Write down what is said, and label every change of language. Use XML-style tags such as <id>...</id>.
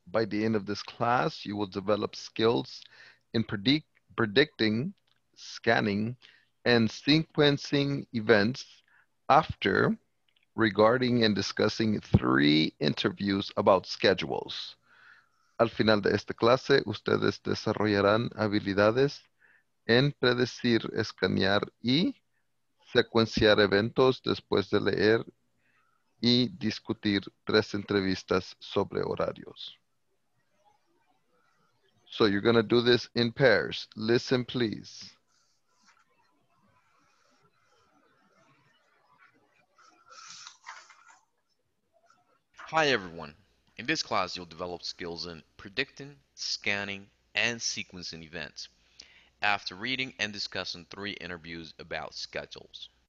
<en>By the end of this class, you will develop skills in predicting, scanning, and sequencing events after regarding and discussing three interviews about schedules.</en> <es>Al final de esta clase, ustedes desarrollarán habilidades en predecir, escanear y secuenciar eventos después de leer y discutir tres entrevistas sobre horarios.</es> <en>So you're going to do this in pairs. Listen, please. Hi, everyone. In this class, you'll develop skills in predicting, scanning, and sequencing events after reading and discussing three interviews about schedules.</en>